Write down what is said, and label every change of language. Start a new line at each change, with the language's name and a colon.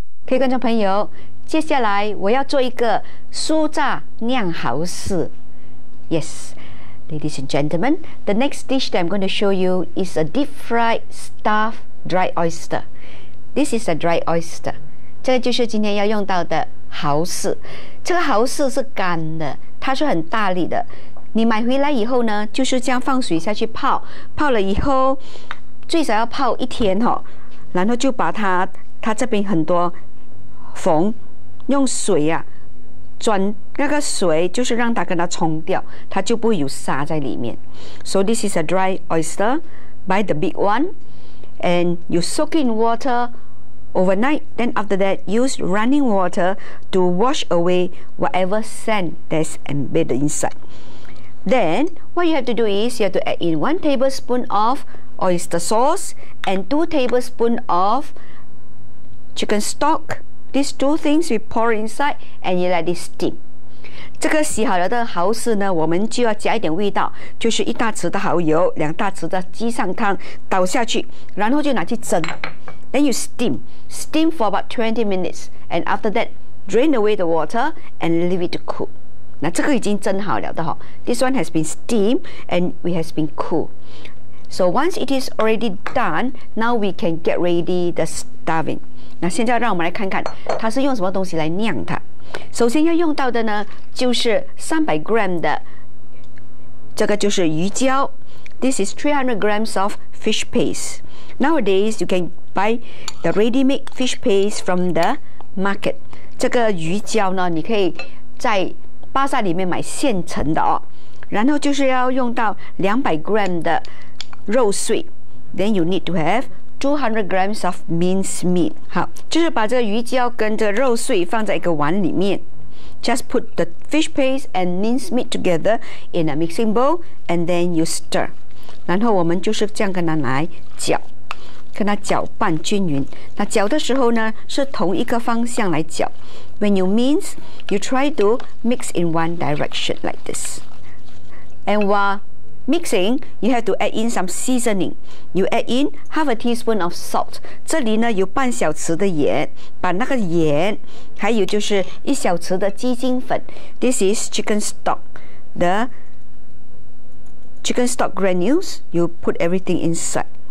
Chinese: 位观众朋友，接下来我要做一个酥炸酿蚝式。
English: Yes, ladies and gentlemen, the next dish that I'm going to show you is a deep fried stuffed dried oyster. This is a dried oyster.
Chinese: 这个就是今天要用到的蚝式。这个蚝式是干的，它是很大力的。你买回来以后呢，就是这样放水下去泡，泡了以后最少要泡一天哦，然后就把它这边很多缝，用水啊，转那个水就是让它跟它冲掉，它就不会有沙在里面。
English: So this is a dry oyster, buy the big one, and you soak in water overnight. Then after that, use running water to wash away whatever sand that's embedded inside. Then, what you have to do is, you have to add in 1 tablespoon of oyster sauce and 2 tablespoons of chicken stock. These 2 things we pour inside and you let it steam.
Chinese: 这个洗好了的蚝豉呢，我们就要加一点味道，就是一大匙的蚝油，两大匙的鸡上汤倒下去，然后就拿去蒸。
English: Then you steam for about 20 minutes. And after that, drain away the water and leave it to cook.
Chinese: 那这个已经蒸好了的哈
English: ，This one has been steamed and we has been cool. So once it is already done, now we can get ready the stuffing.
Chinese: 那现在让我们来看看它是用什么东西来酿它。首先要用到的呢，就是300 gram 的，这个就是鱼胶。
English: This is 300 grams of fish paste. Nowadays you can buy the ready-made fish paste from the market.
Chinese: 这个鱼胶呢，你可以在巴萨里面买现成的哦，然后就是要用到200 gram 的肉碎 ，
English: then you need to have 200 grams of minced meat。
Chinese: 好，就是把这个鱼胶跟这肉碎放在一个碗里面
English: ，just put the fish paste and minced meat together in a mixing bowl and then you stir。
Chinese: 然后我们就是这样跟它来搅，跟它搅拌均匀。那搅的时候呢，是同一个方向来搅。
English: When you mince, you try to mix in one direction like this. And while mixing, you have to add in some seasoning. You add in half a teaspoon of salt.
Chinese: 这里呢有半小匙的盐，把那个盐，还有就是一小匙的鸡精粉。
English: This is chicken stock. The chicken stock granules, you put everything inside.